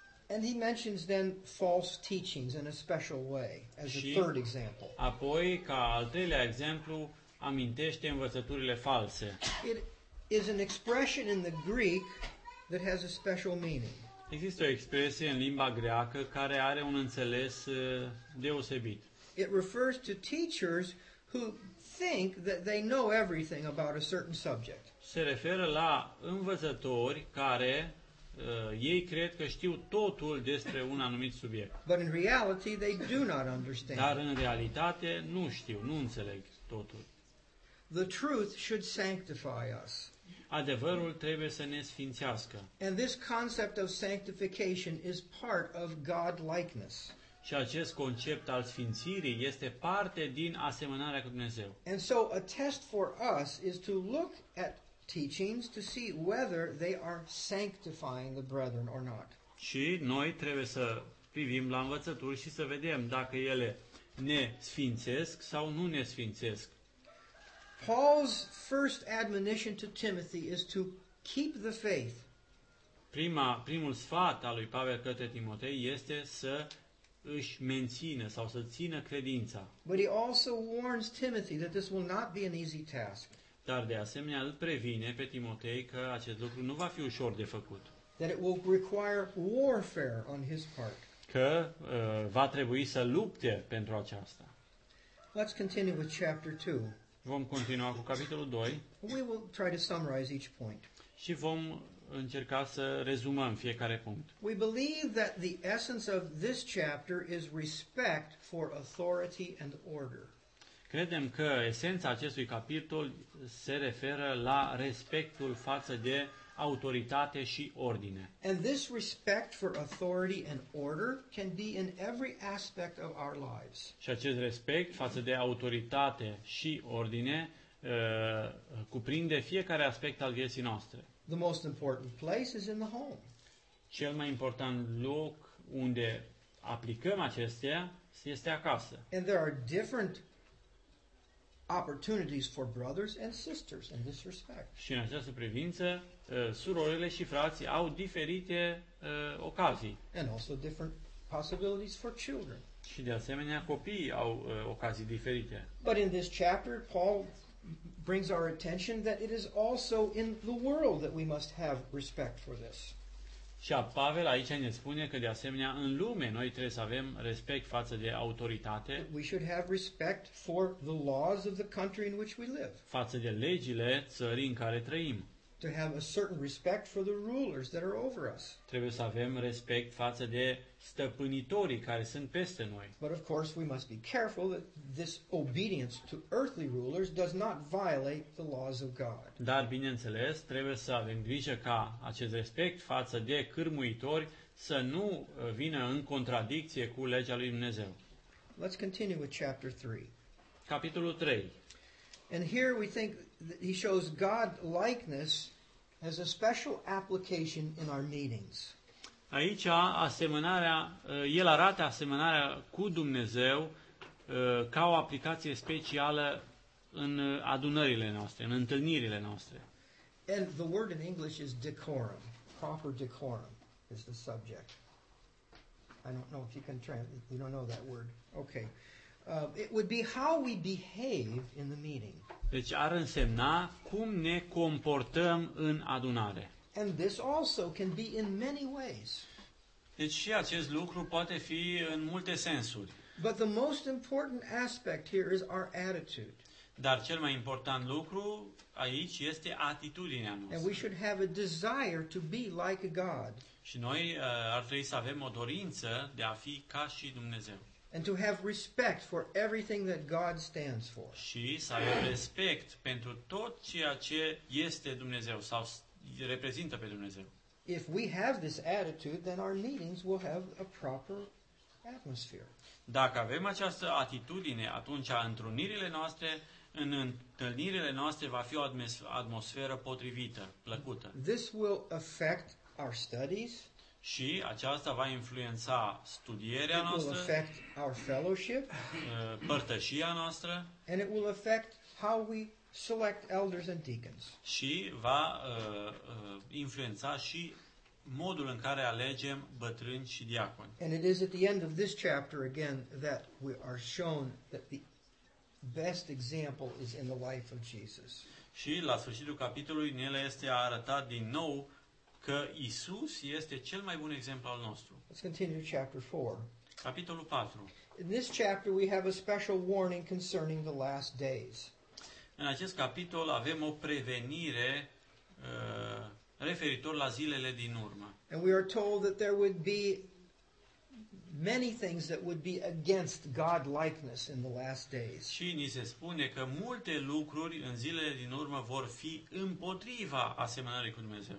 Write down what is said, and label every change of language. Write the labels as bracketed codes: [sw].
[en] And he mentions then false teachings in a special way as a third example. [ro] Apoi, ca al treilea exemplu, amintește învățăturile false. [en] It is an expression in the Greek that has a special meaning. [ro] Există o expresie în limba greacă care are un înțeles deosebit. [en] It refers to teachers who think that they know everything about a certain subject. [ro] Se referă la învățători care ei cred că știu totul despre un anumit subiect. [en] But in reality, they do not understand. [ro] Dar în realitate nu știu, nu înțeleg totul. [en] The truth should sanctify us. [ro] Adevărul trebuie să ne sfințească. [en] And this concept of sanctification is part of God-likeness. [ro] Și acest concept al sfințirii este parte din asemănarea cu Dumnezeu. [en] And so a test for us is to look at teachings to see whether they are sanctifying the brethren or not. [ro] Și noi trebuie să privim la învățături și să vedem dacă ele ne sfințesc sau nu ne sfințesc. [en] Paul's first admonition to Timothy is to keep the faith. [ro] Primul sfat al lui Pavel către Timotei este să își mențină sau să țină credința. [en] But he also warns Timothy that this will not be an easy task. [ro] Dar de asemenea îl previne pe Timotei că acest lucru nu va fi ușor de făcut. [en] That it will require warfare on his part. [ro] Că va trebui să lupte pentru aceasta. [en] Let's continue with chapter 2. [ro] Vom continua cu capitolul 2. [en] We will try to summarize each point. [ro] Și vom încerca să rezumăm fiecare punct. [en] We believe that the essence of this chapter is respect for authority and order. [ro] Credem că esența acestui capitol se referă la respectul față de autoritate și ordine. [en] And this respect for authority and order can be in every aspect of our lives. [ro] Și acest respect față de autoritate și ordine cuprinde fiecare aspect al vieții noastre. [en] The most important place is in the home. [ro] Cel mai important loc unde aplicăm acestea este acasă. [en] And there are different opportunities for brothers and sisters in this respect. [ro] Și în această privință, surorile și frații au diferite ocazii. [en] And also different possibilities for children. [ro] Și de asemenea, copiii au ocazii diferite. [en] But in this chapter, Paul brings our attention that it is also in the world that we must have respect for this. [ro] Și Pavel aici ne spune că de asemenea în lume noi trebuie să avem respect față de autoritate. [en] We should have respect for the laws of the country in which we live. [ro] Față de legile țării în care trăim. [en] To have a certain respect for the rulers that are over us. [ro] Trebuie să avem respect față de stăpânitorii care sunt peste noi. [en] But of course we must be careful that this obedience to earthly rulers does not violate the laws of God. [ro] Dar bineînțeles, trebuie să avem grijă ca acest respect față de cârmuitori să nu vină în contradicție cu legea lui Dumnezeu. [en] Let's continue with chapter 3. [ro] Capitolul 3. [en] And here we think that he shows God likeness has a special application in our meetings. [ro] Aici asemănarea, el arată asemănarea cu Dumnezeu ca o aplicație specială în adunările noastre, în întâlnirile noastre. [en] And the word in English is decorum. Proper decorum is the subject. I don't know if you can translate. You don't know that word. Okay. It would be how we behave in the meeting. [ro] Deci ar însemna cum ne comportăm în adunare. [en] And this also can be in many ways. [ro] Deci și acest lucru poate fi în multe sensuri. [en] But the most important aspect here is our attitude. [ro] Dar cel mai important lucru aici este atitudinea noastră. [en] And we should have a desire to be like God. [ro] Și noi ar trebui să avem o dorință de a fi ca și Dumnezeu. [en] And to have respect for everything that God stands for. [ro] Și să avem respect pentru tot ceea ce este Dumnezeu sau reprezintă pe Dumnezeu. [en] If we have this attitude, then our meetings will have a proper atmosphere. [ro] Dacă avem această atitudine, atunci întrunirile noastre, în întâlnirile noastre va fi o atmosferă potrivită, plăcută. [en] This will affect our studies. [ro] Și aceasta va influența studierea noastră. [en] It will affect our fellowship. [ro] Părtășia noastră. [en] And it will affect how we select elders and deacons. [ro] Și va influența și modul în care alegem bătrâni și diaconi. [en] And it is at the end of this chapter again that we are shown that the best example is in the life of Jesus. [ro] Și la sfârșitul capitolului ne este arătat din nou că Isus este cel mai bun exemplu al nostru. [en] Let's continue to chapter 4. [ro] Capitolul 4. [en] In this chapter we have a special warning concerning the last days. [ro] În acest capitol avem o prevenire referitor la zilele din urmă. [en] And we are told that there would be many things that would be against God likeness in the last days. [ro] Și ni se spune că multe lucruri în zilele din urmă vor fi împotriva asemănării cu Dumnezeu.